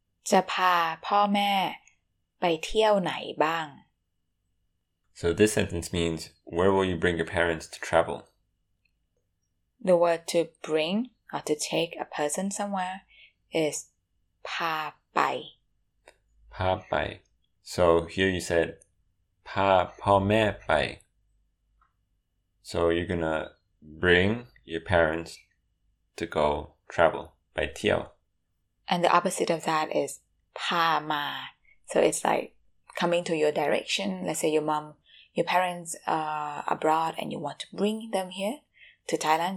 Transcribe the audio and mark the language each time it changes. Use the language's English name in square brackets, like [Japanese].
[Thai] จะพาพ่อแม่ไปเที่ยวไหนบ้าง? [English] So this sentence means, where will you bring your parents to travel? The word to bring or to take a person somewhere is พาไป. [Thai] พาไป. [English] So here you said, [Thai] พาพ่อแม่ไป. [English] So you're gonna bring your parents to go travel. [Thai] ไปเที่ยว. [English] And the opposite of that is พามา. So it's like coming to your direction. Let's say your mom, your parents are abroad and you want to bring them here to Thailand.